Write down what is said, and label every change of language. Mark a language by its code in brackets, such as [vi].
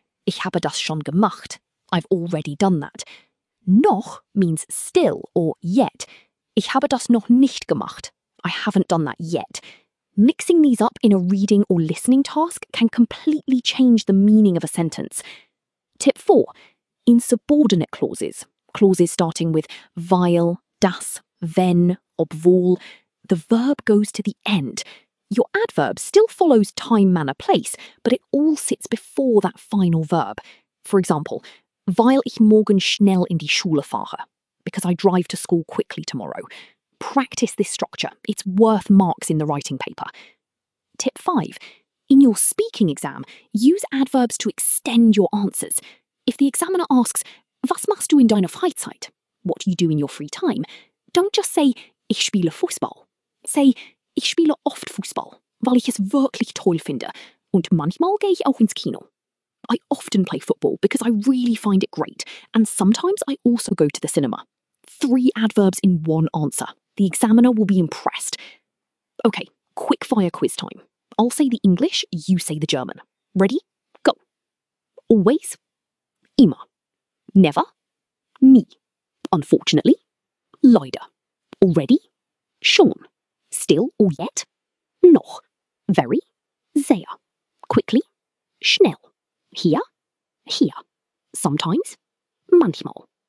[de] Ich habe das schon gemacht. [en] I've already done that. Noch means still or yet. [de] Ich habe das noch nicht gemacht. [en] I haven't done that yet. Mixing these up in a reading or listening task can completely change the meaning of a sentence. Tip 4. In subordinate clauses, clauses starting with weil, das, wenn, obwohl, the verb goes to the end. Your adverb still follows time, manner, place, but it all sits before that final verb. For example, [de] weil ich morgen schnell in die Schule fahre, [en] because I drive to school quickly tomorrow. Practice this structure. It's worth marks in the writing paper. Tip 5. In your speaking exam, use adverbs to extend your answers. If the examiner asks, [de] was machst du in deiner Freizeit? [en] What do you do in your free time? Don't just say, [de] ich spiele Fußball. [en] Say, [de] ich spiele oft Fußball, weil ich es wirklich toll finde. Und manchmal gehe ich auch ins Kino. [en] I often play football because I really find it great. And sometimes I also go to the cinema. 3 adverbs in 1 answer. The examiner will be impressed. Okay, quick fire quiz time. I'll say the English, you say the German. Ready? Go. Always? Immer. Never? Nie. Unfortunately? Leider. Already? Schon. Still or yet? Noch. Very? Sehr. Quickly? Schnell. Hier? Hier. Sometimes? Manchmal.